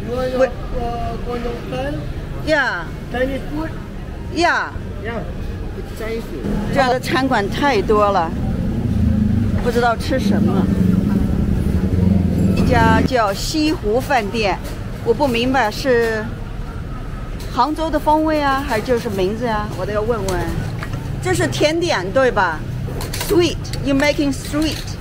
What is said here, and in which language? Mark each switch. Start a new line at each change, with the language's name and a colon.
English: You have Guangdong style? Yeah. Chinese food? Yeah. Yeah, it's Chinese food.
Chinese: 这样的餐馆太多了，不知道吃什么。家叫西湖饭店，我不明白是杭州的风味啊，还就是名字啊，我都要问问。这是甜点对吧 ？
English: Sweet, you making sweet?